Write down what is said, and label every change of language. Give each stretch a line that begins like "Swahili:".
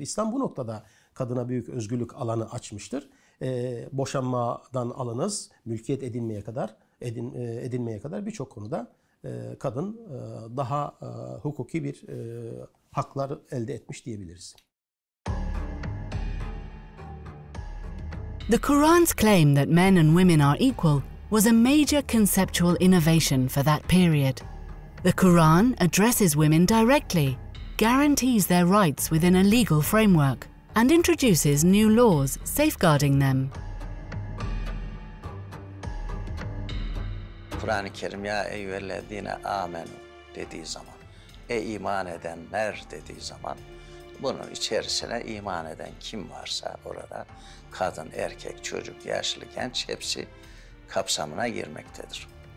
Turkish: İslam bu noktada kadına büyük özgürlük alanı açmıştır. Boşanmadan alınız, mülkiyet edinmeye kadar birçok konuda kadın daha hukuki bir haklar elde etmiş diyebiliriz.
English: The Quran's claim that men and women are equal was a major conceptual innovation for that period. The Quran addresses women directly, guarantees their rights within a legal framework, and introduces new laws safeguarding them.
Turkish: Kur'an-ı Kerim
Arabic: ya eyyühellezine amenu
Turkish: dediği zaman, ey iman edenler dediği zaman, bunun içerisine iman eden kim varsa orada, kadın, erkek, çocuk, yaşlı, genç hepsi kapsamına girmektedir.